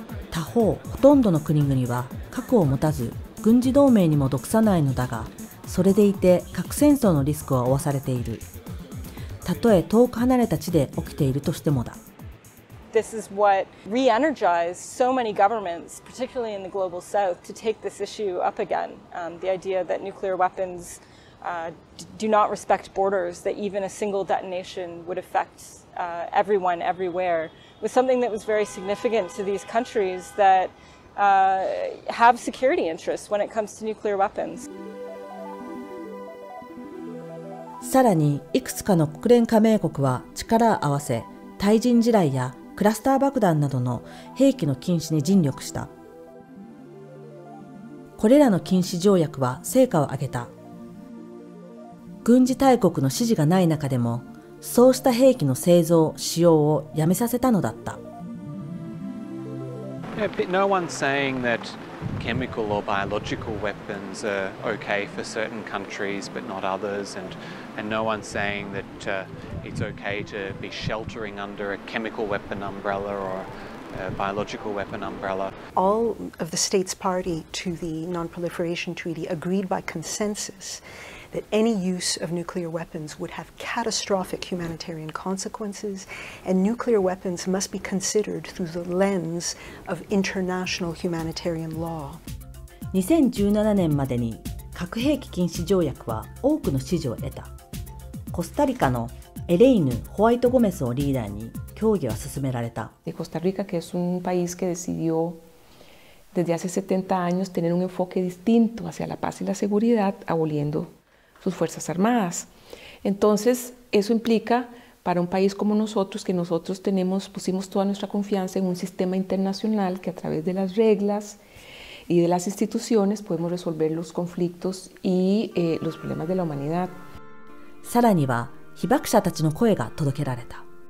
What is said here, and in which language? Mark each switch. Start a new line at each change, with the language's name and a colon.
Japanese: 他方、ほとんどの国々は核を持たず、軍事同盟にも属さないのだが、それでいて核戦争のリスクは負わされている。たとえ遠く離れた地で起きているとしてもだ。
English: This is what re-energized so many governments, particularly in the global south, to take this issue up again. The idea that nuclear weapons do not respect borders, that even a single detonation would affect everyone, everywhere, was something that was very significant to these countries that have security interests when it comes to nuclear weapons.
Japanese: さらに、いくつかの国連加盟国は力を合わせ、対人地雷やクラスター爆弾などの兵器の禁止に尽力した。これらの禁止条約は成果を上げた。軍事大国の支持がない中でも、そうした兵器の製造・使用をやめさせたのだった。
English: No one's saying that chemical or biological weapons are okay for certain countries but not others, and no one's saying that it's okay to be sheltering under a chemical weapon umbrella or a biological weapon umbrella. All of the states party to the non-proliferation treaty agreed by consensus that any use of nuclear weapons would have catastrophic humanitarian consequences, and nuclear weapons must be considered through the lens of international humanitarian law.
Japanese: 2017年までに核兵器禁止条約は多くの支持を得た。コスタリカのエレイヌ・ホワイト・ゴメスをリーダーに協議は進められた。
Spanish: コスタリカ、que es un país que decidió desde hace 70 años tener un enfoque distinto hacia la paz y la seguridad, aboliendo sus fuerzas armadas. Entonces, eso implica para un país como nosotros que nosotros tenemos pusimos toda nuestra confianza en un sistema internacional que a través de las reglas y de las instituciones podemos resolver los conflictos y los problemas de la humanidad.
Japanese: さらには被爆者たちの声が届けられた。